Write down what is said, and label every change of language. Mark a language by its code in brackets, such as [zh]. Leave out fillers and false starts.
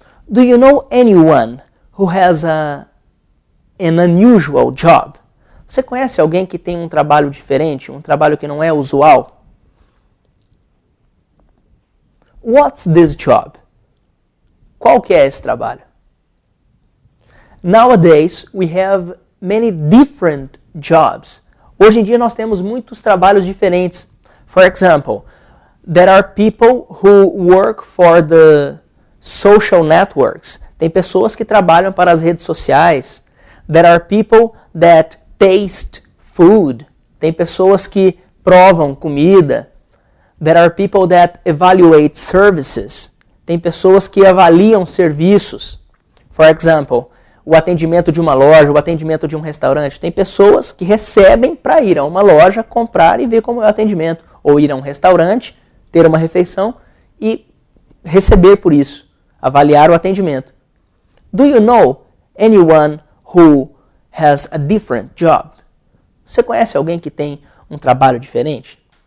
[en] Do you know anyone who has an unusual job? [pt] Você conhece alguém que tem um trabalho diferente, um trabalho que não é usual? [en] What's this job? [pt] Qual que é esse trabalho? [en] Nowadays, we have many different jobs. [pt] Hoje em dia, nós temos muitos trabalhos diferentes. [en] For example, there are people who work for the social networks. [pt] Tem pessoas que trabalham para as redes sociais. [en] There are people that taste food. [pt] Tem pessoas que provam comida. [en] There are people that evaluate services. [pt] Tem pessoas que avaliam serviços. [en] For example, [pt] o atendimento de uma loja, o atendimento de um restaurante. Tem pessoas que recebem para ir a uma loja, comprar e ver como é o atendimento. Ou ir a um restaurante, ter uma refeição e receber por isso, avaliar o atendimento. [en] Do you know anyone who has a different job? [pt] Você conhece alguém que tem um trabalho diferente?